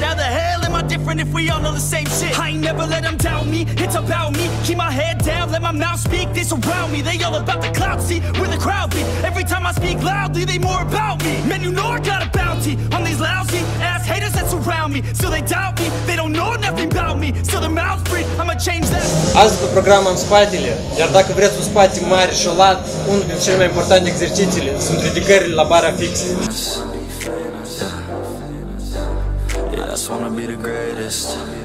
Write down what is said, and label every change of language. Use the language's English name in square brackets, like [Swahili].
[English] How the hell am I different if we all know the same shit? I ain't never let them doubt me, it's about me. Keep my head down, let my mouth speak. They surround me, they all about the clout. See where the crowd be. Every time I speak loudly, they more about me. Man, you know I got a bounty on these lousy ass haters that surround me. So they doubt me, they don't know nothing about me. So the mouth free, I'ma change that. [Romanian] Azi pe program am spatele. Iar dacă vreți un spate mare și olat, unul din cele mai importante exercițiile sunt ridicările la bara fixă. [English] Yeah, I just wanna be the greatest.